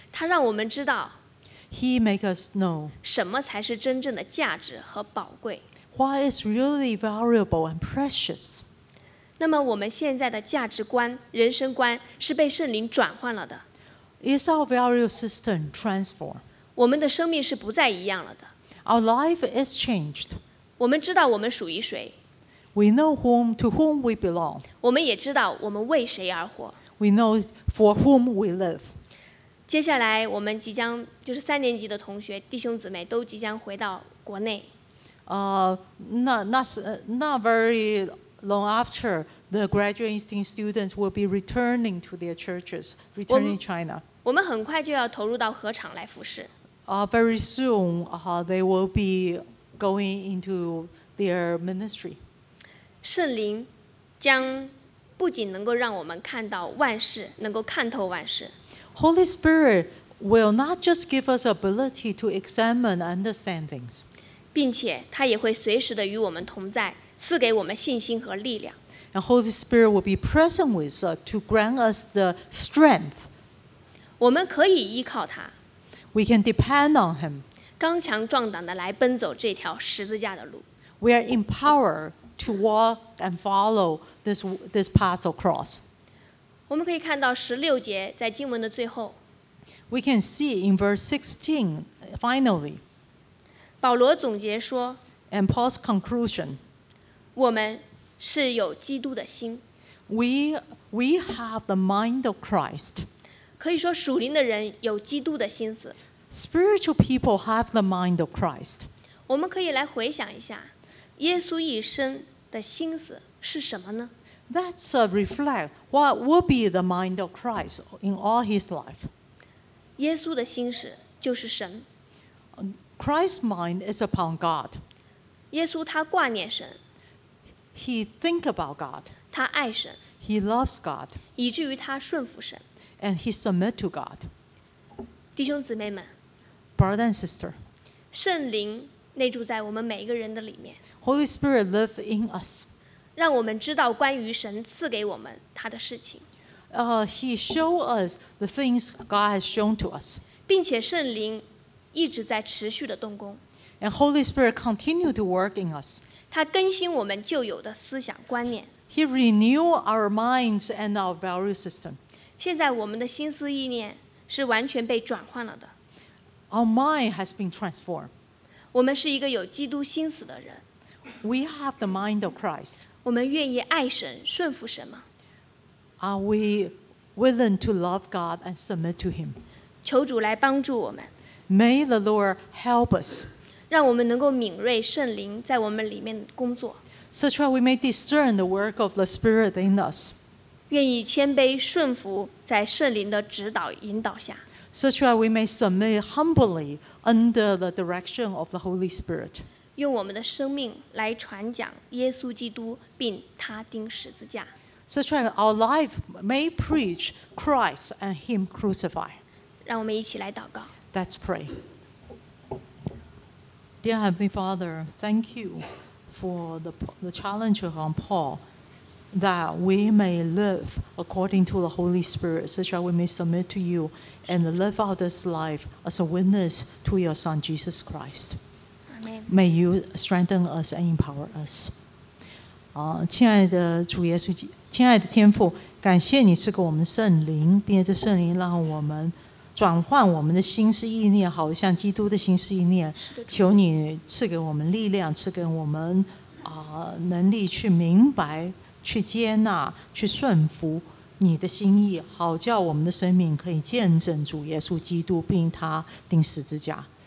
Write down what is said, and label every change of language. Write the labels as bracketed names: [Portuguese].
[Chinese] 他让我们知道。 [English] He makes us know. [Chinese] 什么才是真正的价值和宝贵。 [English] What is really valuable and precious? [Chinese] 那么我们现在的价值观、人生观是被圣灵转换了的。 [English] Is our value system transformed? [Chinese] 我们的生命是不再一样了的。 [English] Our life is changed. [Chinese] 我们知道我们属于谁。 [English] We know to whom we belong. [Chinese] 我们也知道我们为谁而活。 [English] We know for whom we live. [Chinese] 接下来我们即将，就是三年级的同学，弟兄姊妹都即将回到国内。 [English] Not very long after the graduating students will be returning to their churches, returning China. [Chinese] 我们很快就要投入到合场来服侍。 [English] Very soon, they will be going into their ministry. [Chinese] 圣灵将不仅能够让我们看到万事，能够看透万事。 [English] Holy Spirit will not just give us ability to examine and understand things. [Chinese] 并且他也会随时的与我们同在，赐给我们信心和力量。 [English] And Holy Spirit will be present with us to grant us the strength. [Chinese] 我们可以依靠他。 [English] We can depend on him. [Chinese] 刚强壮胆的来奔走这条十字架的路。 [English] We are empowered to walk and follow this path across. [Chinese] 我们可以看到十六节在经文的最后。 [English] We can see in verse 16, finally. [Chinese] 保罗总结说 [English] ，And Paul's conclusion， [Chinese] 我们是有基督的心。 [English] We have the mind of Christ。 [Chinese] 可以说，属灵的人有基督的心思。 [English] Spiritual people have the mind of Christ。 [Chinese] 我们可以来回想一下，耶稣一生的心思是什么呢 [English] ？Let's reflect what will be the mind of Christ in all his life。 [Chinese] 耶稣的心思就是神。 [English] Christ's mind is upon God. [Chinese] 耶稣他挂念神。 [English] He think about God. [Chinese] 他爱神。 [English] He loves God. [Chinese] 以至于他顺服神。 [English] And he submit to God. [Chinese] 弟兄姊妹们。 [English] Brother and sister. [Chinese] 圣灵内住在我们每一个人的里面。 [English] Holy Spirit live in us. [Chinese] 让我们知道关于神赐给我们他的事情。 [English] He show us the things God has shown to us. [Chinese] 并且圣灵一直在持续的动工 [English] ，and Holy Spirit continue to work in us. [Chinese] 他更新我们旧有的思想观念。 [English] He renew our minds and our value system. [Chinese] 现在我们的心思意念是完全被转换了的。 [English] Our mind has been transformed. [Chinese] 我们是一个有基督心思的人。 [English] We have the mind of Christ. [Chinese] 我们愿意爱神，顺服神吗 [English] ？Are we willing to love God and submit to Him? [Chinese] 求主来帮助我们。 [English] May the Lord help us. [Chinese] 让我们能够敏锐圣灵在我们里面工作。 [English] So that we may discern the work of the Spirit in us. [Chinese] 愿意谦卑顺服在圣灵的指导引导下。 [English] So that we may submit humbly under the direction of the Holy Spirit. [Chinese] 用我们的生命来传讲耶稣基督，并他钉十字架。 [English] So that our life may preach Christ and Him crucified. [Chinese] 让我们一起来祷告。 [English] Let's pray. Dear Heavenly Father, thank you for the challenge on Paul that we may live according to the Holy Spirit, such that we may submit to you and live out this life as a witness to your Son, Jesus Christ. Amen. May you strengthen us and empower us. [Chinese] 亲爱的主耶稣，亲爱的天父，感谢你赐给我们圣灵，并且这圣灵让我们转换我们的心思意念，好像基督的心思意念。求你赐给我们力量，赐给我们能力去明白，去接纳，去顺服你的心意，好叫我们的生命可以见证主耶稣基督，并他钉十字架。